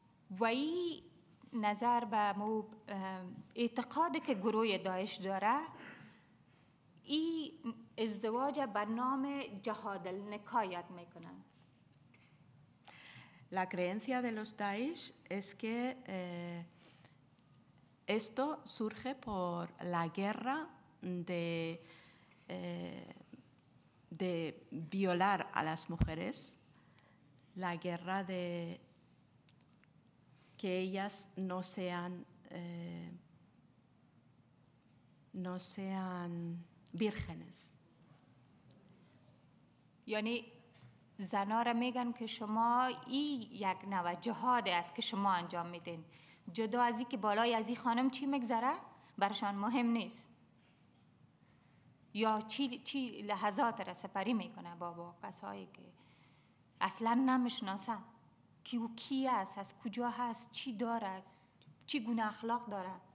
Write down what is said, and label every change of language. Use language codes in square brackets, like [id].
[fa] وای نظر به مو اعتقاد که گروه داعش داره ای ازدواج به نام جهاد النکاح یاد میکنن. [es] La creencia de los Daesh es que esto surge por la guerra de violar a las mujeres, la guerra de que ellas no sean, no sean vírgenes. [fa] Yani. زنا را میگن که شما ای یک نوع جهاد است که شما انجام میدین جدا از این که بالای از این خانم چی میگذره برشان مهم نیست یا چی لحظات را سپری میکنه با کسایی که اصلا نمیشناسه که او کی است، از کجا هست، چی داره، چی گونه اخلاق داره.